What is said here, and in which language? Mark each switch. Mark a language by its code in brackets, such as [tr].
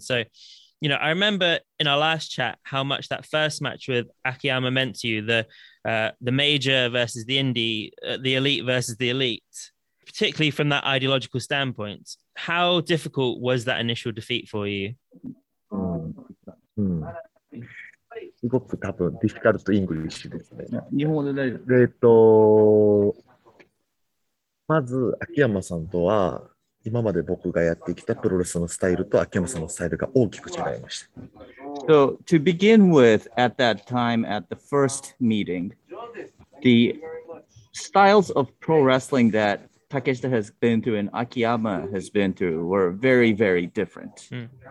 [en] So, you know, I remember in our last chat how much that first match with Akiyama meant to you, the major versus the indie, the elite versus the elite, particularly from that ideological standpoint. How difficult was that initial defeat for you? [ja] すごく多分ディフィカルトイングリッシュですね。日本語で大丈夫。まず秋山さんとは今まで僕がやってきたプロレスのスタイルと秋山さんのスタイルが大きく違いました。 [en] So to begin with, at that time at the first meeting, the styles of pro wrestling that Takeshita has been through and Akiyama has been through were very, very different.